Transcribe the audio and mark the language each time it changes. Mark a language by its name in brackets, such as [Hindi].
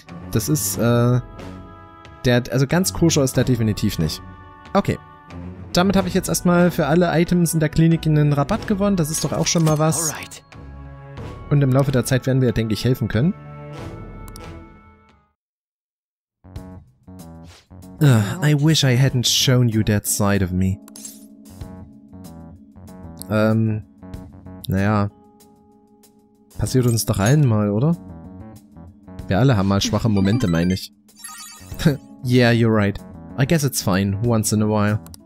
[German] Das ist, ganz koscher ist der definitiv nicht. Okay. Damit habe ich jetzt erstmal für alle Items in der Klinik einen Rabatt gewonnen. Das ist doch auch schon mal was. [English] Alright. [German] Und im Laufe der Zeit werden wir, denke ich, helfen können. [English] I wish I hadn't shown you that side of me. [German] Naja. Passiert uns doch allen mal, oder? Wir alle haben mal schwache Momente, meine ich. [English] Yeah, you're right. I guess it's fine, once in a while.